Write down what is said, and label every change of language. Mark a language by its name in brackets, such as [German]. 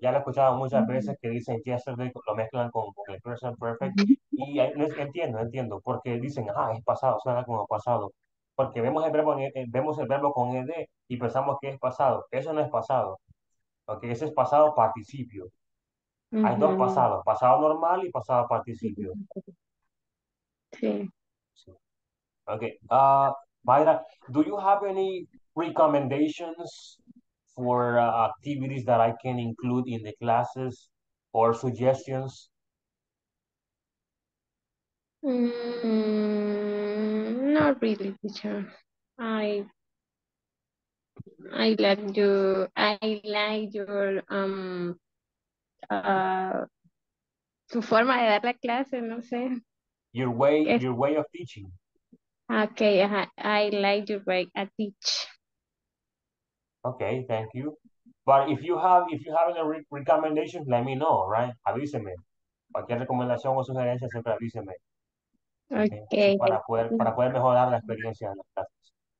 [Spanish] Ya lo he escuchado muchas veces que dicen yesterday, lo mezclan con el present perfect, y entiendo, porque dicen, es pasado, suena como pasado. Porque vemos el verbo con ed y pensamos que es pasado. Eso no es pasado. Okay, ese es pasado participio. Uh-huh. Hay dos pasados, pasado normal y pasado participio. Sí. Okay. [English] Mayra, do you have any recommendations for activities that I can include in the classes or suggestions? Not really, teacher. I like [Spanish] tu forma de dar la clase, no sé. [English] Your way of teaching. Okay, I like your way to teach. Okay, thank you. But if you have any recommendations, let me know, right? [Spanish] Avíseme. Cualquier recomendación o sugerencia, siempre avíseme. Okay. Para poder mejorar la experiencia de las clases.